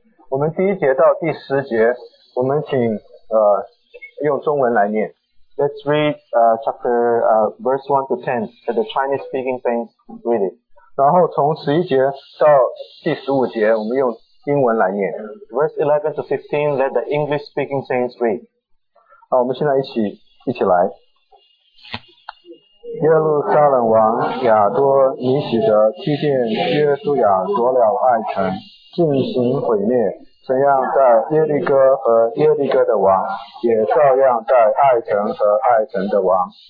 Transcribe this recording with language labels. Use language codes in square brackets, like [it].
[zh] 我们第一节到第十节，我们请用中文来念。 [en] Let's read chapter verse 1 to 10, that the Chinese speaking saints read it. [zh] 然后从十一节到第十五节，我们用英文来念。 [en] Verse 11 to 15, let the English speaking saints read. [zh] 好，我们现在一起来。耶路撒冷王亚多尼喜德听见约书亚夺了爱城，进行毁灭。怎样在耶利哥和耶利哥的王，也照样在爱城和爱城的王。